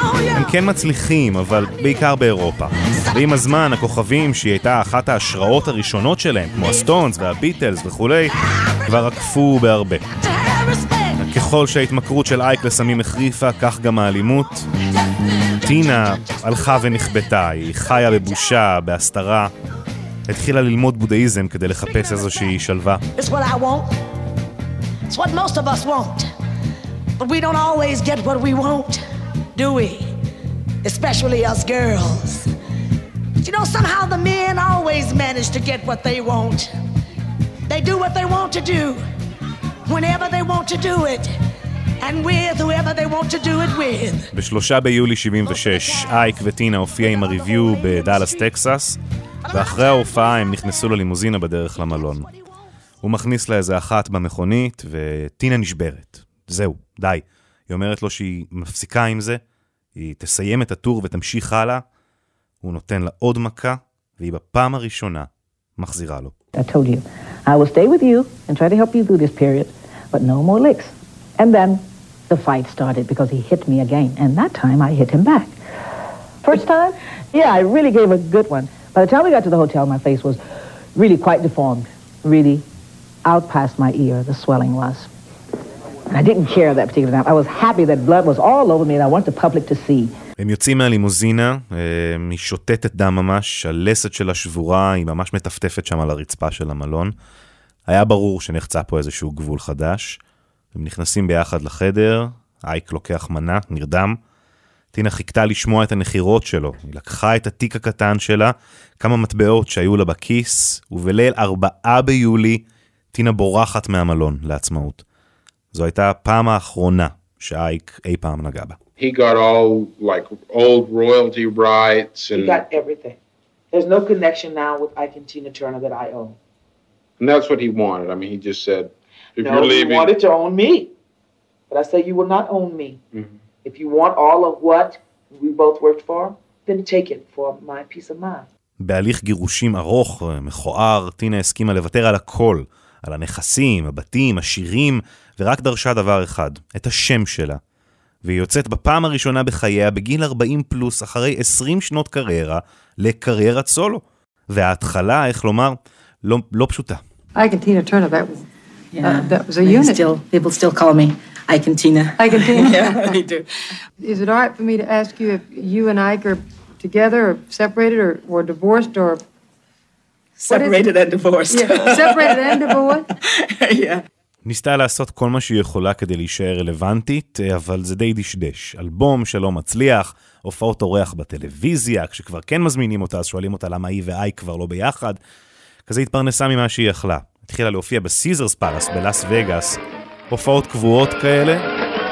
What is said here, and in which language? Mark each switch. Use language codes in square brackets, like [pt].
[he] הם כן מצליחים, אבל בעיקר באירופה. ועם הזמן, הכוכבים, שהיא הייתה אחת ההשראות הראשונות שלהם, כמו הסטונס והביטלס וכו', כבר עקפו בהרבה. ככל שההתמכרות של אייק לסמים החריפה, כך גם האלימות. טינה הלכה ונכבטה, היא חיה בבושה, בהסתרה. התחילה ללמוד בודהיזם כדי לחפש איזושהי שלווה. [en] It's what most of us want. But we don't always get what we want, do we? Especially us girls. But you know, somehow the men always manage to get what they want. They do what they want to do, whenever they want to do it, and with whoever they want to do it with. [he] ב-3 ביולי 76, אייק וטינה הופיע עם הריוויו בדאלאס, טקסס, ואחרי ההופעה הם נכנסו ללימוזינה בדרך למלון. הוא מכניס לה איזה אחת במכונית, וטינה נשברת. זהו, די. היא אומרת לו שהיא מפסיקה עם זה, היא תסיים את הטור ותמשיך הלאה. הוא נותן לה עוד מכה, והיא בפעם הראשונה מחזירה לו. [en] I told you, I will stay with you and try to help you through this period, but no more licks. And then the fight started because he hit me again, and that time I hit him back. First time? Yeah, I really gave a good one. By the time we got to the hotel, my face was really quite deformed. Really. Out past my ear, the swelling was. And I didn't care that particular time. I was happy that blood was all over me and I wanted the public to see. [he] הם יוצאים מהלימוזינה, היא שוטטת דם ממש, הלסת של השבורה, היא ממש מטפטפת שם על הרצפה של המלון. היה ברור שנחצה פה איזשהו גבול חדש. הם נכנסים ביחד לחדר, אייק לוקח מנה, נרדם. טינה חיכתה לשמוע את הנחירות שלו. היא לקחה את התיק הקטן שלה, כמה מטבעות שהיו לה בכיס, ובליל 4 ביולי, טינה בורחת מהמלון לעצמאות. זו הייתה הפעם האחרונה שאייק אי פעם נגע בה. [en] He got all like old royalty rights and he got everything. There's no connection now with Ike and Tina Turner that I own. And that's what he wanted. I mean, he just said if no, you're leaving, he wanted to own me. But I said you will not own me. Mm-hmm. If you want all of what we both worked for, then take it for my peace of mind. [he] בהליך גירושים ארוך ומכוער, טינה הסכימה לוותר על הכל, על הנכסים, הבתים, השירים, ורק דרשה דבר אחד, את השם שלה. והיא יוצאת בפעם הראשונה בחייה, בגיל 40 פלוס, אחרי 20 שנות קריירה, לקריירת סולו. וההתחלה, איך לומר, לא פשוטה. [en] I can Tina Turner, that was a unit. People still call me I can Tina. I can Tina. Yeah, me too. Is it all right for me to ask you if you and Ike are together or separated or divorced or... Separated and divorced. Yeah. Separated and divorced? Yeah. [he] ניסתה לעשות כל מה שהיא יכולה כדי להישאר רלוונטית, אבל זה די דשדש. אלבום שלא מצליח, הופעות אורח בטלוויזיה, כשכבר כן מזמינים אותה, אז שואלים אותה למה היא ואי כבר לא ביחד. כזה התפרנסה ממה שהיא יכלה. התחילה להופיע בסיזרס פלס בלאס וגאס, הופעות קבועות כאלה.